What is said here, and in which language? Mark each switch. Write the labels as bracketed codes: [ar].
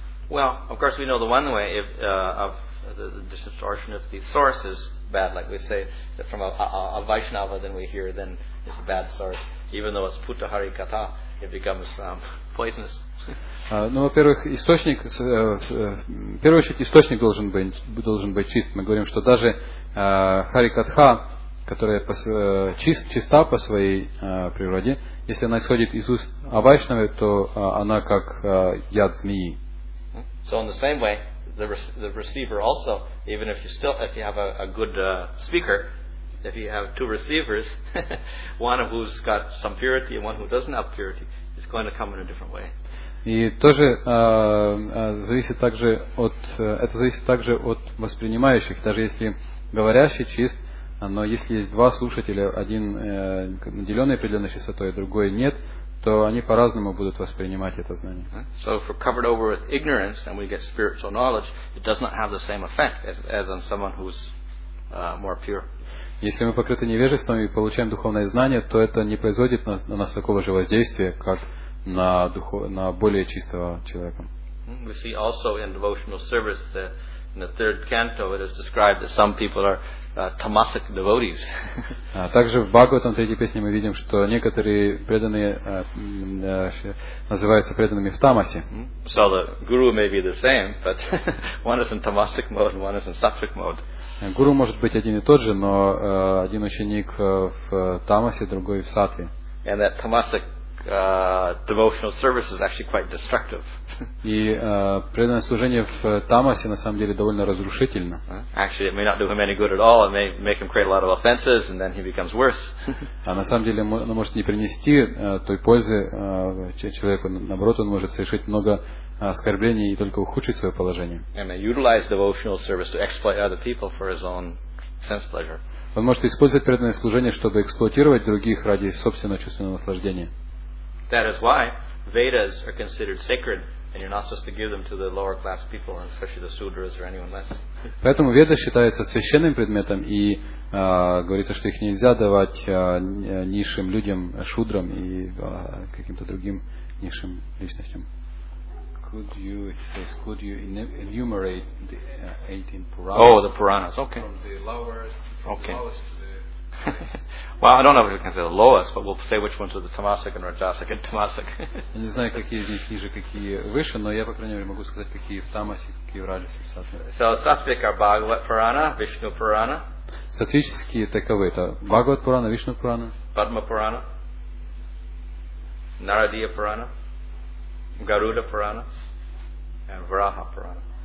[en] Of course, we know the one way if, of the distortion if the source is bad. Like we say, that from a Vaishnava, then we hear, then it's a bad source. Even though it's Putta Hari Katha, it becomes poisonous. [ru] Ну, во-первых, источник, в первую очередь, источник должен быть чист. Мы говорим, что даже Хари Катха, которая чиста по своей природе, если она исходит из уст Авайшнавы, то она как яд змеи. [en] So in the same way, the receiver also, even if you still, if you have a good speaker, if you have two receivers, one of who's got some purity and one who doesn't have purity, it's going to come in a different way. [ru] И тоже зависит также от это зависит также от воспринимающих. Даже если говорящий чист, но если есть два слушателя, один наделенный определенной чистотой, другой нет, то они по-разному будут воспринимать это знание. [en] So if we're covered over with ignorance and we get spiritual knowledge, it does not have the same effect as on someone who's more pure. [ru] Если мы покрыты невежеством и получаем духовное знание, то это не производит на нас такого же воздействия, как на более чистого человека. [en] We see also in devotional service that in the third canto it is described that some people are tamasic devotees. [ru] Также в Бхагаватам, третьей песне, мы видим, что некоторые преданные называются преданными в тамасе. [en] So the guru may be the same, but one is in tamasic mode and one is in sattvic mode. [ru] Гуру может быть один и тот же, но один ученик в тамасе, другой в сатве. [en] And that tamasic devotional service is actually quite destructive. [ru] И преданное служение в тамасе на самом деле довольно разрушительно. [en] Actually, it may not do him any good at all. It may make him create a lot of offenses, and then he becomes worse. [ru] А на самом деле, оно может не принести той пользы человеку. Наоборот, он может совершить много оскорблений и только ухудшить свое положение. [en] And may utilize devotional service to exploit other people for his own sense pleasure. [ru] Он может использовать преданное служение, чтобы эксплуатировать других ради собственного чувственного наслаждения. [en] That is why Vedas are considered sacred, and you're not supposed to give them to the lower class people, especially the sutras or anyone less. [ru] Поэтому Веды считаются священным предметом, и говорится, что их нельзя давать низшим людям, шудрам и каким-то другим низшим личностям. [en] Could you enumerate the 18 Puranas. Oh, the Puranas, okay. From the lowest, from okay. the lowest to the Well, I don't know if we can say the lowest, but we'll say which ones are the Tamasic and Rajasic and Tamasic. [ru] Я не знаю, какие из них ниже, какие выше, но я, по крайней мере, могу сказать, какие в Тамасе, какие в Раджасе, соответственно. [en] So, Sattvic are Bhagavat Purana, Vishnu Purana. [ru] Сатвические таковы, это Бхагават Пурана, Вишну Пурана. Падма Пурана. Нарадия Пурана. Гаруда Пурана. And Varaha Purana.